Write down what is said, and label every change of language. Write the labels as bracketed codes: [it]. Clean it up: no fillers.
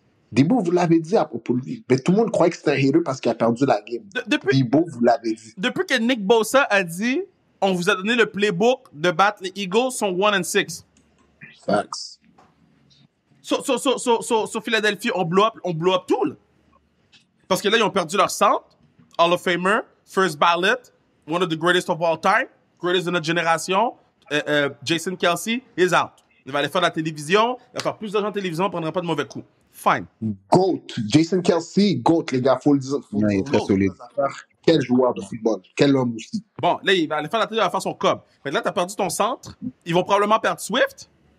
[fr] Dibou vous l'avez dit à propos de lui. Mais tout le monde croyait que c'était un héros parce qu'il a perdu la game. Dibou vous l'avez dit. Depuis que Nick Bosa a dit... On vous a donné le playbook de battre les Eagles, sont 1-6. [en] Facts. So, [fr] Philadelphie, on [en] blow up [fr] tout. Là. Parce que là, ils ont perdu leur centre. [en] Hall of Famer, first ballot, one of the greatest of all time, greatest [fr] de notre génération, [en] Jason Kelce, is out. [fr] Il va aller faire de la télévision, il va faire plus d'argent en télévision, on ne prendra pas de mauvais coups. [en] Fine. GOAT, Jason Kelce, GOAT, [fr] les gars, [en] full. [fr] Il est très solide. Quel joueur de football, quel homme aussi. Bon, là, il va aller faire la télé, il va faire son cob. Mais là, t'as perdu ton centre. Ils vont probablement perdre Swift.